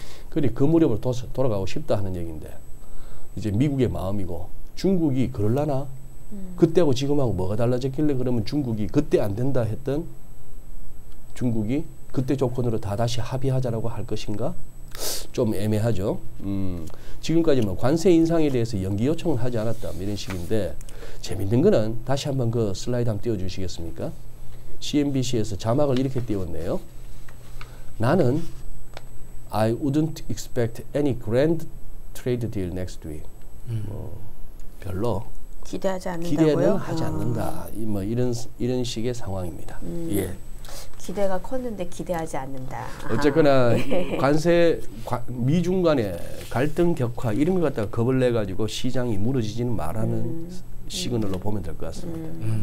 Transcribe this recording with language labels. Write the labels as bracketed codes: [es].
[ko] 그리고 그 무렵으로 돌아가고 싶다 하는 얘기인데 이제 미국의 마음이고 중국이 그럴라나 그때하고 지금하고 뭐가 달라졌길래 그러면 중국이 그때 안 된다 했던 중국이 그때 조건으로 다 다시 합의하자라고 할 것인가? 좀 애매하죠. 지금까지 뭐 관세 인상에 대해서 연기 요청을 하지 않았다 이런 식인데 재밌는 거는 다시 한번 그 슬라이드 한번 띄워주시겠습니까? CNBC에서 자막을 이렇게 띄웠네요. 나는 [en] I wouldn't expect any grand trade deal next week. [ko] 별로 기대하지 않는다고요? 기대는 하지 않는다. 뭐 이런 식의 상황입니다. 예. 기대가 컸는데 기대하지 않는다. 어쨌거나 관세 미중 간의 갈등 격화 이런 것 갖다가 겁을 내가지고 시장이 무너지지는 말하는 시그널로 보면 될 것 같습니다.